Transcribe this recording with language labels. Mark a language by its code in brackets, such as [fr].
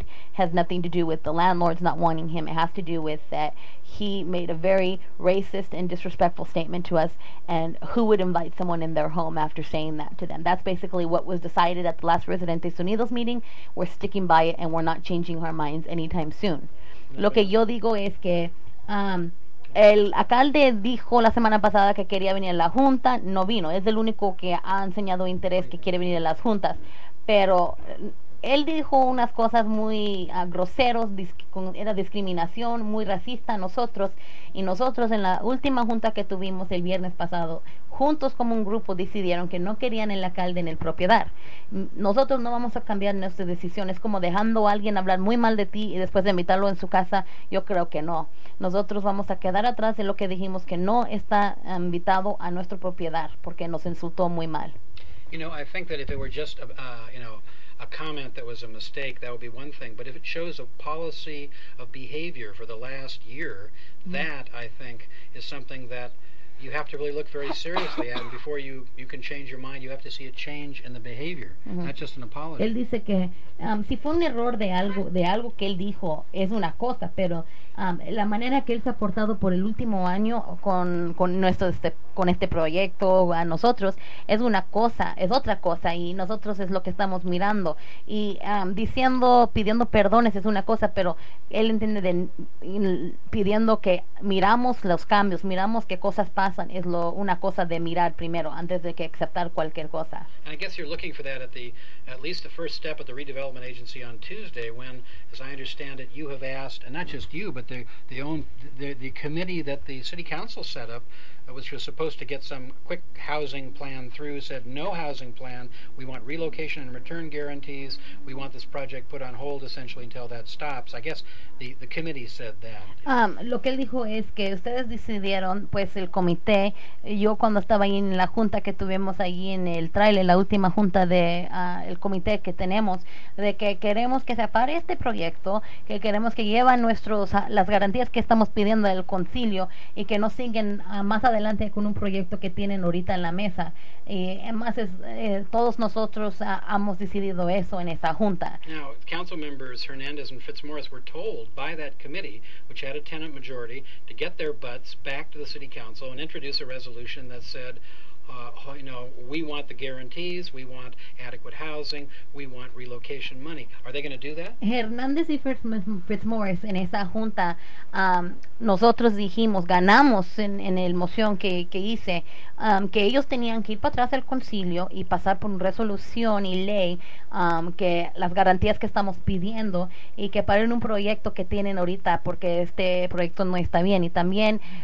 [en] It has nothing to do with the landlords not wanting him. It has to do with that he made a very racist and disrespectful statement to us, and who would invite someone in their home after saying that to them. That's basically what was decided at the last Residentes Unidos meeting. We're sticking by it, and we're not changing our minds anytime soon. [es] Lo que yo digo es que el alcalde dijo la semana pasada que quería venir a la junta, no vino. Es el único que ha enseñado interés que quiere venir a las juntas. Pero él dijo unas cosas muy groseros, era discriminación, muy racista a nosotros. Y nosotros en la última junta que tuvimos el viernes pasado, juntos como un grupo decidieron que no querían el alcalde en el propiedad. Nosotros no vamos a cambiar nuestra decisión. Es como dejando a alguien hablar muy mal de ti y después de invitarlo en su casa. Yo creo que no. Nosotros vamos a quedar atrás de lo que dijimos, que no está invitado a nuestro propiedad porque nos insultó muy mal. [en] You know, I think that if it were just a comment that was a mistake, that would be one thing. But if it shows a policy of behavior for the last year, that I think is something that you have to really look very seriously at. And before you can change your mind, you have to see a change in the behavior, not just an apology. [es] Él dice que si fue un error de algo que él dijo, es una cosa, pero la manera que él se ha portado por el último año con este proyecto a nosotros es una cosa, es otra cosa, y nosotros es lo que estamos mirando. Y diciendo, pidiendo perdones es una cosa, pero él entiende pidiendo que miramos los cambios, miramos qué cosas pasan, es una cosa de mirar primero antes de que aceptar cualquier cosa. [en] And I guess you're looking for that at least the first step at the redevelopment agency on Tuesday, when, as I understand it, you have asked, and not just you, but the committee that the city council set up which was supposed to get some quick housing plan through, said no housing plan. We want relocation and return guarantees. We want this project put on hold essentially until that stops. I guess the committee said that. [es] Lo que él dijo es que ustedes decidieron, pues el comité, yo cuando estaba ahí en la junta que tuvimos ahí en el trailer, la última junta de el comité que tenemos, de que queremos que se apare este proyecto, que queremos que llevan nuestros las garantías que estamos pidiendo del concilio y que no siguen más adelante con un proyecto que tienen ahorita en la mesa. Y además es, todos nosotros hemos decidido eso en esa junta. [en] Now, council members Hernandez and Fitzmaurice were told by that committee, which had a tenant majority, to get their butts back to the city council and introduce a resolution that said, you know, we want the guarantees, we want adequate housing, we want relocation money. Are they going to do that? [es] Hernandez y Fitzmaurice en esa junta, nosotros dijimos, ganamos en el moción que hice, que ellos tenían que ir para atrás del concilio y pasar por una resolución y ley, que las garantías que estamos pidiendo y que paren un proyecto que tienen ahorita porque este proyecto no está bien, y también